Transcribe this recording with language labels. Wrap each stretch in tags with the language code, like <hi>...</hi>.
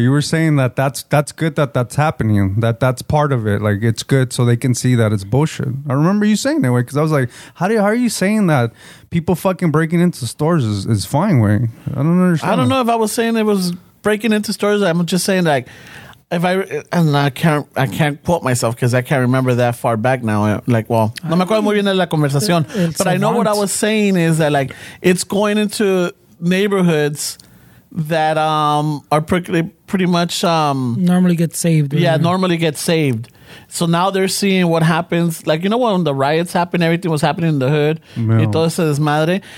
<en>you were saying that that's good that that's happening, that that's part of it, like, it's good so they can see that it's bullshit. I remember you saying that way, because I was like, how are you saying that people fucking breaking into stores is fine, way? I don't understand. I don't know if I was saying it was breaking into stores. I'm just saying, like, I can't quote myself because I can't remember that far back now. Like, well,</en> <es>no me acuerdo muy bien de la conversación.</es> <en>But I know what I was saying is that, like, it's going into neighborhoods that are pretty much... normally get saved. Right? Yeah, normally get saved. So now they're seeing what happens. Like, you know, when the riots happened, everything was happening in the hood.</en> <es>Y todo ese desmadre.</es>